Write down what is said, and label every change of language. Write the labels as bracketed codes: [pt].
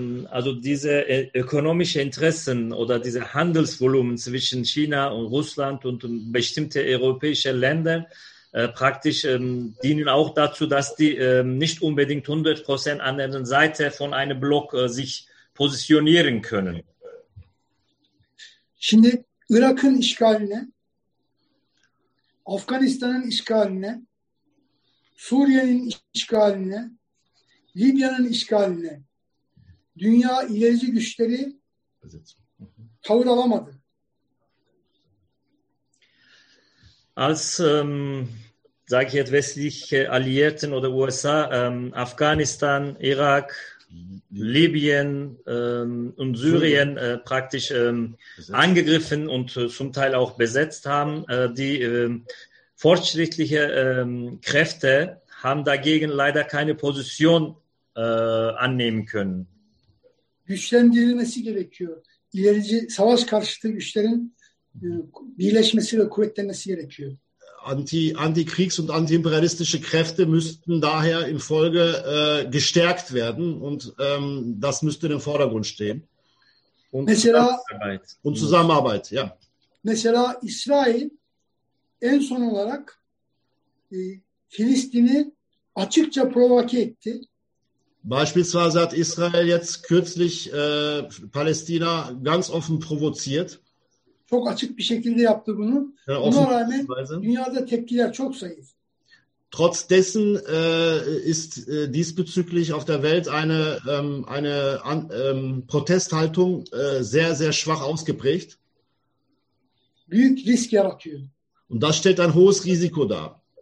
[de] Also diese ökonomische Interessen oder diese Handelsvolumen zwischen China und Russland und bestimmte europäische Länder praktisch dienen auch dazu, dass die nicht unbedingt 100% an der Seite von einem Block sich positionieren können. [tr] Şimdi Irak'ın işgaline, Afganistan'ın işgaline, Suriye'nin işgaline, Libya'nın işgaline dünya ilerici güçleri tavır alamadı. [de] Als sage ich jetzt westliche Alliierten oder USA, Afghanistan, Irak, Libyen und Syrien praktisch angegriffen und zum Teil auch besetzt haben. Die fortschrittlichen Kräfte haben dagegen leider keine Position annehmen können. [tr] Güçlendirilmesi gerekiyor. İlerici savaş karşıtı güçlerin birleşmesi ve kuvvetlenmesi gerekiyor. [de] Antikriegs- und antiimperialistische Kräfte müssten daher in Folge gestärkt werden und das müsste im Vordergrund stehen. [tr] Und mesela, [de] Zusammenarbeit. Und Zusammenarbeit, ja. [tr] Mesela İsrail en son olarak Filistin'i açıkça provoke etti. [de] Beispielsweise hat Israel jetzt kürzlich Palästina ganz offen provoziert. [tr] Çok açık bir şekilde yaptı bunu. Buna rağmen dünyada tepkiler çok zayıf. [de] Trotz dessen ist diesbezüglich auf der Welt eine Protesthaltung sehr sehr schwach ausgeprägt. [tr] Büyük risk yaratıyor. [de] Und das stellt ein hohes Risiko dar.